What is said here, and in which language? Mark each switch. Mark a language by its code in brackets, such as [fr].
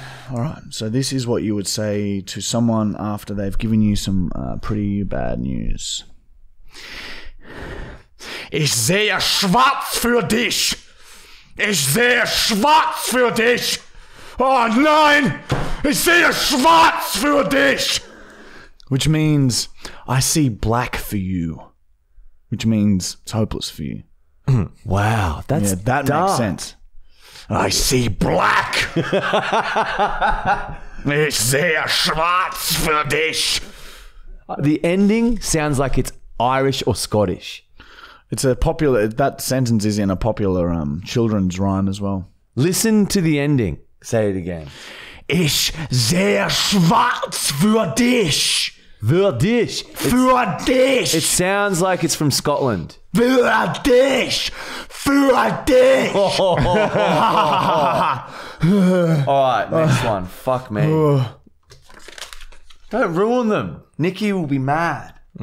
[en] All right, so this is what you would say to someone after they've given you some pretty bad news. [de] Ich sehe schwarz für dich. Ich sehe schwarz für dich. Oh, nein. Ich sehe schwarz für dich. [en] Which means, I see black for you. Which means, it's hopeless for you. Wow, that's dumb. Yeah, that makes sense. I see black. [de] Ich sehe schwarz für dich. [en] The ending sounds like it's Irish or Scottish. It's a popular, that sentence is in a popular children's rhyme as well. Listen to the ending. Say it again. [de] Ich sehe schwarz für dich. Für dich. Für dich. [en] It sounds like it's from Scotland. [de] Für dich. Für dich. [en] All right, next one. Fuck me. Don't ruin them. Nikki will be mad.